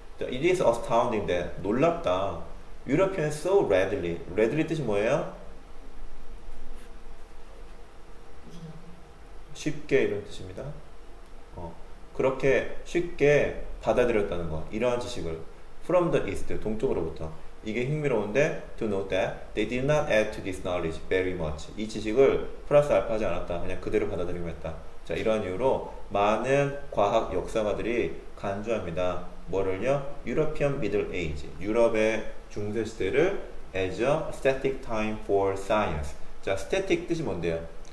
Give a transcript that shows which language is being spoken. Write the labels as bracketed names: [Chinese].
[English] It is astounding that, [Korean] 놀랍다. [English] Europeans so readily. [Korean] readily 뜻이 뭐예요? 쉽게, 이런 뜻입니다. 그렇게 쉽게 받아들였다는 것, 이러한 지식을. [English] From the East, [Korean] 동쪽으로부터. 이게 흥미로운데, [English] to note that they did not add to this knowledge very much. [Korean] 이 지식을 플러스 알파 하지 않았다. 그냥 그대로 받아들이고 했다. 자, 이러한 이유로 많은 과학 역사가들이 간주합니다. 뭐를요? [English] European Middle Age. [Korean] 유럽의 중세 시대를 [English] as a static time for science. [Korean] 자, static 뜻이 뭔데요?